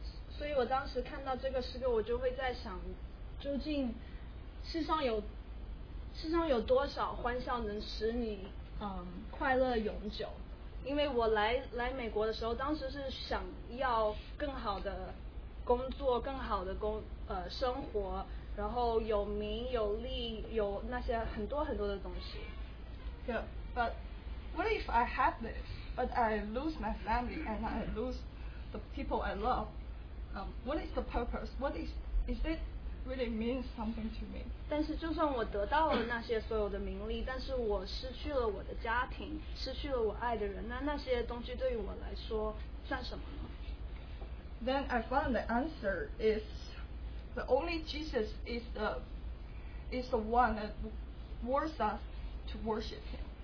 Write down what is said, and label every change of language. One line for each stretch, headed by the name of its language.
Chinese: 所以我当时看到这个诗歌，我就会在想，究竟世上有多少欢笑能使你快乐永久？因为我来美国的时候，当时是想要更好的工作、更好的生活，然后有名有利，有那些很多很多的东西。
English: Yeah, but what if I have this, but I lose my family and I lose the people I love? What is the purpose? What is it really means something to me?
Chinese: 但是就算我得到了那些所有的名利，但是我失去了我的家庭，失去了我爱的人，那些东西对于我来说算什么呢？
English: Then I found the answer is the only Jesus is the one that worth us to worship him.